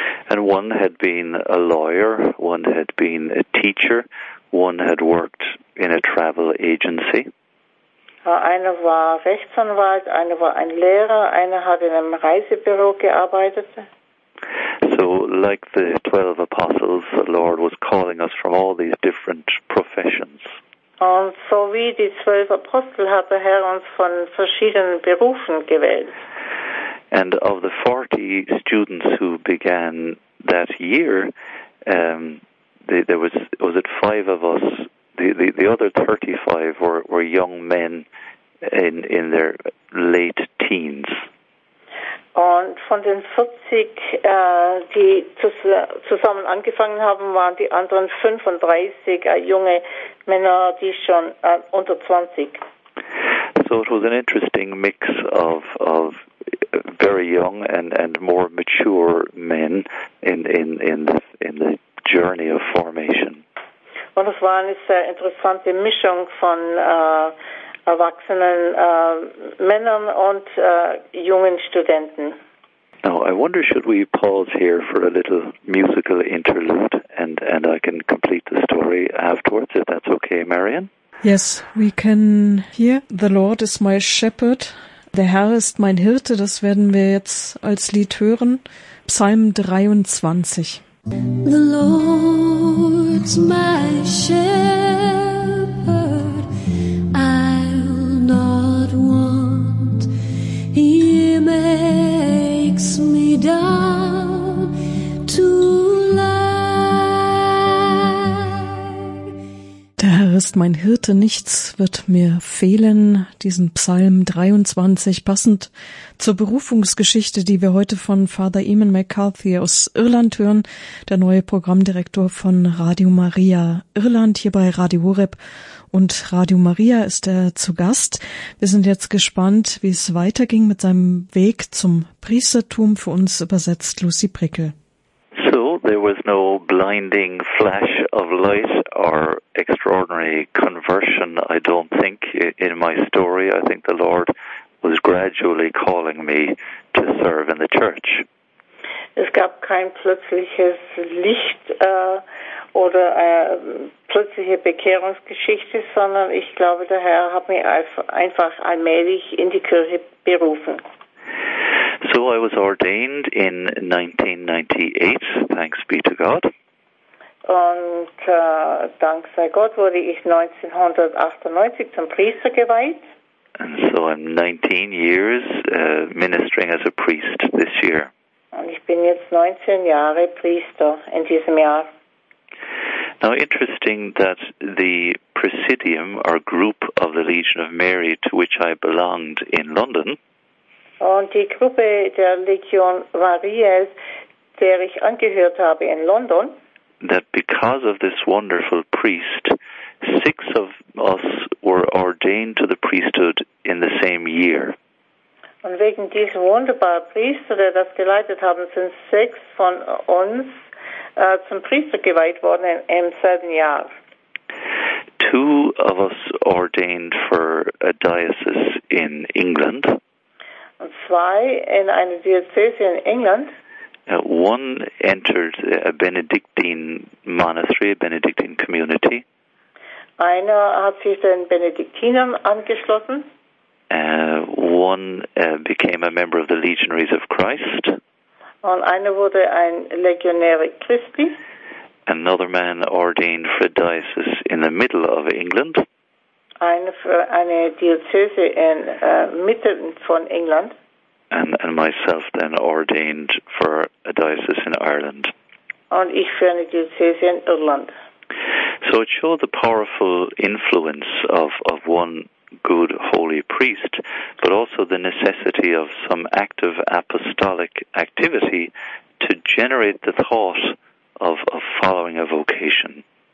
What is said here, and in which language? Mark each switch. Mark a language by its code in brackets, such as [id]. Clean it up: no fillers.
[en] And one had been a lawyer, one had been a teacher, one had worked in a travel agency. [de] Einer war Rechtsanwalt, einer war ein Lehrer, einer hat in einem Reisebüro gearbeitet. [en] So, like the 12 apostles, the Lord was calling us from all these different professions. [de] Und so wie die 12 Apostel hat der Herr uns von verschiedenen Berufen gewählt. [en] And of the 40 students who began that year, was it 5 of us? The other 35 were young men in their late teens. [de] Und von den 40, die zusammen angefangen haben, waren die anderen 35 junge Männer, die schon unter 20. [en] So it was an interesting mix of very young and more mature men in the journey of formation. [de] Und es war eine sehr interessante Mischung von erwachsenen Männern und jungen Studenten. [en] Now, I wonder, should we pause here for a little musical interlude and I can complete the story afterwards, if that's okay, Marian? Yes, we can hear The Lord is My Shepherd. [de] Der Herr ist mein Hirte, das werden wir jetzt als Lied hören. Psalm 23. [en] The Lord's my shepherd, I'll not want. He makes me down to lie. [de] Der Herr ist mein Hirte, nichts wird mir fehlen. Diesen Psalm 23, passend zur Berufungsgeschichte, die wir heute von Father Eamon McCarthy aus Irland hören, der neue Programmdirektor von Radio Maria Irland hier bei Radio Horeb. Und Radio Maria ist er zu Gast. Wir sind jetzt gespannt, wie es weiterging mit seinem Weg zum Priestertum. Für uns übersetzt Lucy Prickel. [en] So, there was no blinding flash of light or extraordinary conversion, I don't think, in my story. I think the Lord was gradually calling me to serve in the church. [de] Es gab kein plötzliches Licht oder plötzliche Bekehrungsgeschichte, sondern ich glaube, der Herr hat mich einfach allmählich in die Kirche berufen. [en] So I was ordained in 1998, thanks be to God. [de] Und dank sei Gott wurde ich 1998 zum Priester geweiht. [en] And so I'm 19 years ministering as a priest this year. [de] Und ich bin jetzt 19 Jahre Priester in diesem Jahr. [en] Now, interesting that the Presidium, or group of the Legion of Mary, to which I belonged in London. [de] Und die Gruppe der Legion Mariae, der ich angehört habe in London. [en] That because of this wonderful priest, six of us were ordained to the priesthood in the same year. [de] Und wegen diesem wunderbaren Priester, der das geleitet haben, sind sechs von uns zum Priester geweiht worden im selben Jahr. [en] Two of us ordained for a diocese in England. [de] Und zwei in eine Diözese in England. [en] One entered a Benedictine monastery, a Benedictine community. [de] Einer hat sich den Benediktinern angeschlossen. [en] One became a member of the Legionaries of Christ. [de] Und einer wurde ein Legionär Christi. [en] Another man ordained for a diocese in the middle of England. [de] Einer für eine Diözese in Mitten von England. [en] And myself then ordained for a diocese in Ireland. [de] Und ich für eine Diözese in Irland. [en] So it showed the powerful influence of one good holy priest, but also the necessity of some active apostolic activity to generate the thought of following a vocation.